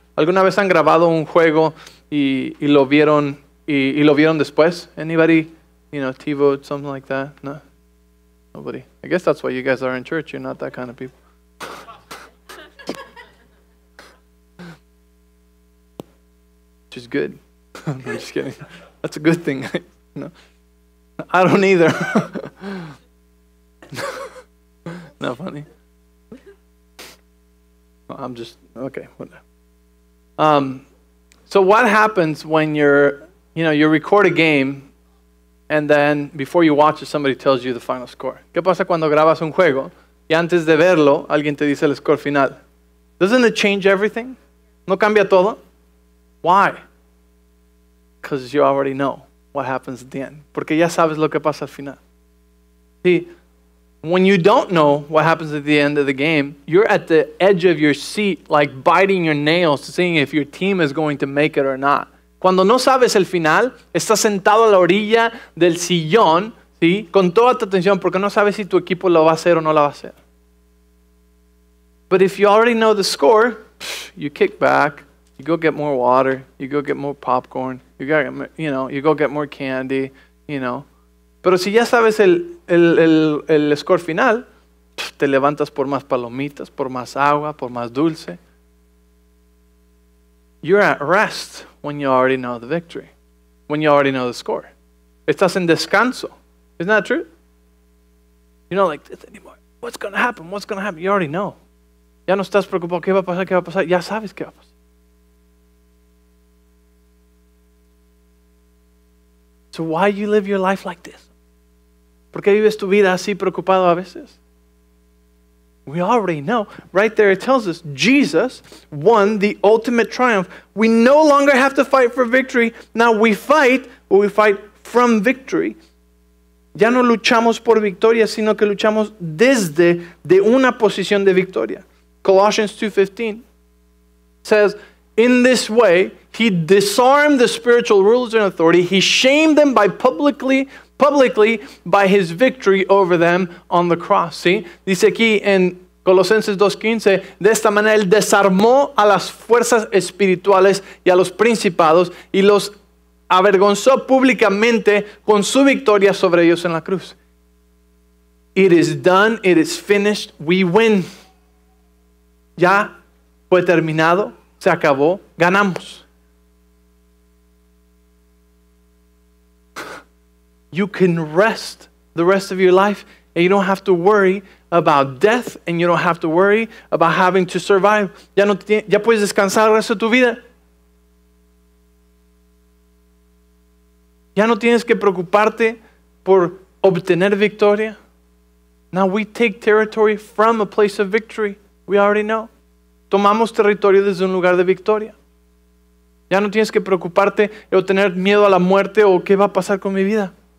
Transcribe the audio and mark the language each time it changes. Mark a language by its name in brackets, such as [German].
[Spanish] ¿Alguna vez han grabado un juego y lo vieron después? [English] Anybody? You know, TiVo, something like that. No, nobody. I guess that's why you guys are in church. You're not that kind of people. Which is good. No, I'm just kidding. That's a good thing. No, I don't either. Not funny. No, I'm just okay. Whatever. So what happens when you record a game? And then, before you watch it, somebody tells you the final score. [Spanish] ¿Qué pasa cuando grabas un juego? Y antes de verlo, alguien te dice el score final. [English] Doesn't it change everything? [Spanish] ¿No cambia todo? [English] Why? Because you already know what happens at the end. [Spanish] Porque ya sabes lo que pasa al final. [English] See, when you don't know what happens at the end of the game, you're at the edge of your seat, like biting your nails, seeing if your team is going to make it or not. [Spanish] Cuando no sabes el final, estás sentado a la orilla del sillón, ¿sí? Con toda tu atención, porque no sabes si tu equipo lo va a hacer o no lo va a hacer. [English] But if you already know the score, you kick back, you go get more water, you go get more popcorn, you go get more candy, you know. [Spanish] Pero si ya sabes el score final, te levantas por más palomitas, por más agua, por más dulce. [English] You're at rest when you already know the victory, when you already know the score. [Spanish] Estás en descanso. [English] Isn't that true? You're not like this anymore. What's going to happen? What's going to happen? You already know. [Spanish] Ya no estás preocupado. ¿Qué va a pasar? ¿Qué va a pasar? Ya sabes qué va a pasar. [English] So why do you live your life like this? [Spanish] ¿Por qué vives tu vida así preocupado a veces? [English] We already know. Right there it tells us, Jesus won the ultimate triumph. We no longer have to fight for victory. Now we fight, but we fight from victory. [Spanish] Ya no luchamos por victoria, sino que luchamos desde de una posición de victoria. [English] Colossians 2:15 says, in this way, he disarmed the spiritual rulers and authority. He shamed them by publicly by his victory over them on the cross. ¿Sí? [Spanish] Dice aquí en Colosenses 2:15, de esta manera él desarmó a las fuerzas espirituales y a los principados y los avergonzó públicamente con su victoria sobre ellos en la cruz. [English] It is done, it is finished, we win. [Spanish] Ya fue terminado, se acabó, ganamos. [English] You can rest the rest of your life and you don't have to worry about death and you don't have to worry about having to survive. [Spanish] Ya puedes descansar el resto de tu vida. Ya no tienes que preocuparte por obtener victoria. [English] Now we take territory from a place of victory. We already know. [Spanish] Tomamos territorio desde un lugar de victoria. Ya no tienes que preocuparte o tener miedo a la muerte o qué va a pasar con mi vida.